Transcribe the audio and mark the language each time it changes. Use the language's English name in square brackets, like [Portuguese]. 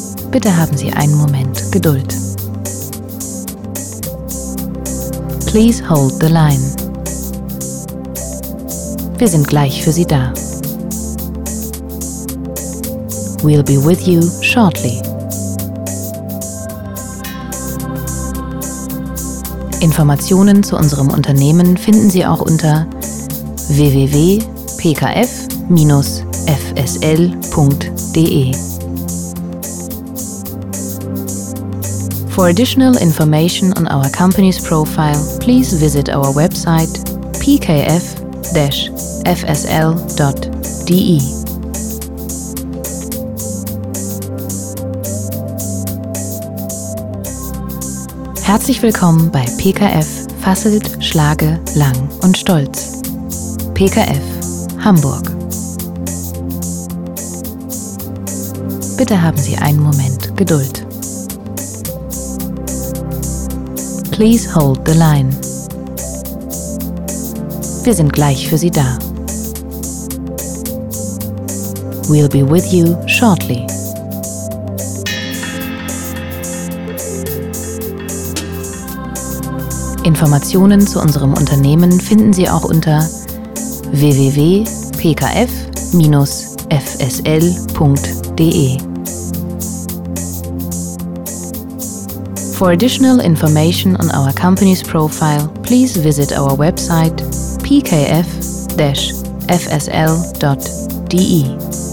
[German] Bitte haben Sie einen Moment Geduld. [English] Please hold the line. [German] Wir sind gleich für Sie da. [English] We'll be with you shortly. [German] Informationen zu unserem Unternehmen finden Sie auch unter www.pkf-fsl.de. [English] For additional information on our company's profile, please visit our website pkf-fsl.de. [German] Herzlich willkommen bei PKF Fasselt, Schlage, Lang und Stolz. PKF Hamburg. Bitte haben Sie einen Moment Geduld. [English] Please hold the line. [German] Wir sind gleich für Sie da. [English] We'll be with you shortly. [German] Informationen zu unserem Unternehmen finden Sie auch unter www.pkf-fsl.de. [English] For additional information on our company's profile, please visit our website pkf-fsl.de.